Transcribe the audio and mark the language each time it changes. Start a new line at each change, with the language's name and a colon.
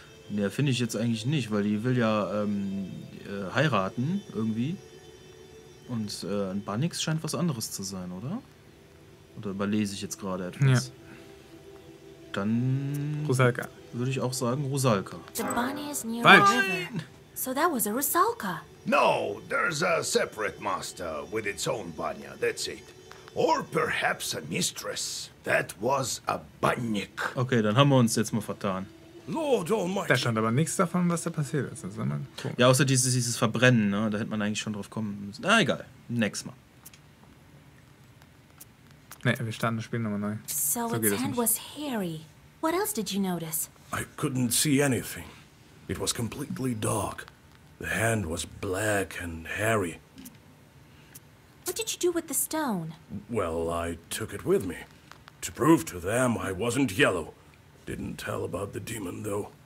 German: Ja, finde ich jetzt eigentlich nicht, weil die will ja heiraten irgendwie. Und ein Bannix scheint was anderes zu sein, oder? Oder überlese ich jetzt gerade etwas? Ja. Dann Rusalka. Würde ich auch sagen Rusalka. Falsch!
English: So that was a Rusalka. No, there's a separate master with its own Banya, that's it. Or perhaps a mistress. That was a Bannik.
German: Okay, dann haben wir uns jetzt mal vertan.
English: Lord Almighty.
German: Da stand aber nichts davon, was da passiert ist. Das ist ja, außer dieses Verbrennen, ne? Da hätte man eigentlich schon drauf kommen müssen. Na, egal. Next Mal. Nee, wir starten das Spiel nochmal neu.
English: So its hand was hairy. What else did you notice? I couldn't see anything. It was completely dark. The hand was black and hairy. What did you do with the stone? Well, I took it with me. To prove to them I wasn't yellow. Didn't tell about the demon, though.